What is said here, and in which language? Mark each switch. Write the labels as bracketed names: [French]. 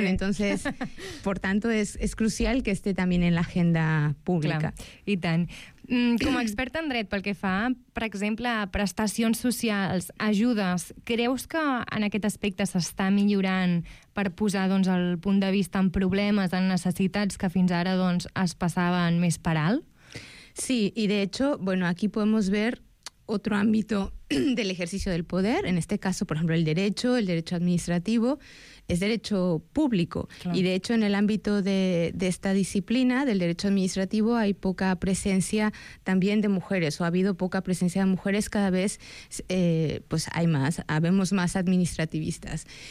[Spanish] Claro, entonces, por tanto, es crucial que esté también en la agenda pública. Claro. Y tan... [Catalan] Com a experta en dret, pel que fa, per exemple, a prestacions socials, ajudes, creus que en aquest aspecte s'està millorant per posar doncs, el punt de vista en problemes, en necessitats que fins ara doncs, es passaven més per alt? [Spanish] Sí, i de hecho, bueno, aquí podemos ver otro ámbito del ejercicio del poder, en este caso, por ejemplo, el derecho administrativo, es derecho público. Claro. Y de hecho, en el ámbito de esta disciplina, del derecho administrativo, hay poca presencia también de mujeres, o ha habido poca presencia de mujeres, cada vez pues hay más, habemos más administrativistas.